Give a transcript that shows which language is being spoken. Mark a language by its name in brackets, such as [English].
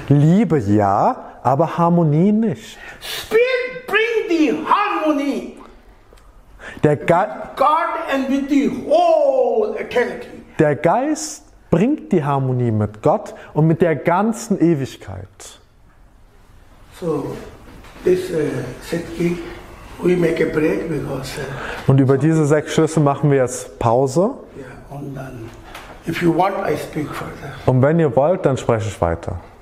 [German] Liebe ja, aber Harmonie nicht. [English] Spirit bring the harmony. [German] Der Geist. [English] God and with the whole eternity. [German] Der Geist bringt die Harmonie mit Gott und mit der ganzen Ewigkeit. [English] So, this sixth key, we make a break because. [German] Und über diese sechs Schlüssel machen wir jetzt Pause. [English] Yeah, and then, if you want, I speak further. [German] Und wenn ihr wollt, dann spreche ich weiter.